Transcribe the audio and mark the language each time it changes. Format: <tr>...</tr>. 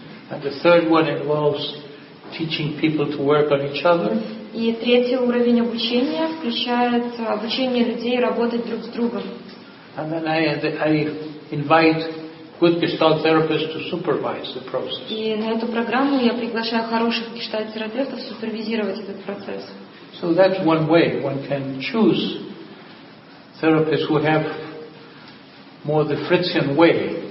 <en>And the third one involves teaching people to work on each other.</en> <ru>И третий уровень обучения включает обучение людей работать друг с другом.</ru> <en>And then I invite good gestalt therapists to supervise the process.</en> <ru>И на эту программу я приглашаю хороших гештальт терапевтов супервизировать этот процесс.</ru> <en>So that's one way one can choose therapists who have more the Fritzian way.</en>